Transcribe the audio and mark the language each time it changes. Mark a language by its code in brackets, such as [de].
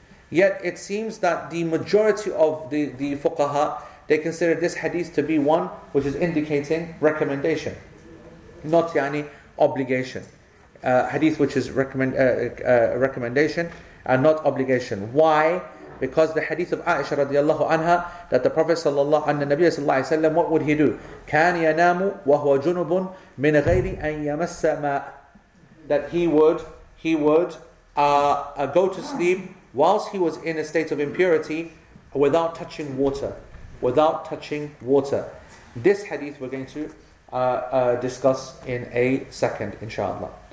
[en] Yet it seems that the majority of the fuqaha, they consider this hadith to be one which is indicating recommendation, not yani obligation. Hadith which is recommendation and not obligation. Why? Because the hadith of Aisha radiallahu anha, that the Prophet sallallahu alaihi wasallam, what would he do? [ar] كان ينام وهو جنب من غير أن يمس ماء. [en] That he would go to sleep whilst he was in a state of impurity without touching water. Without touching water. This hadith we're going to discuss in a second, inshallah.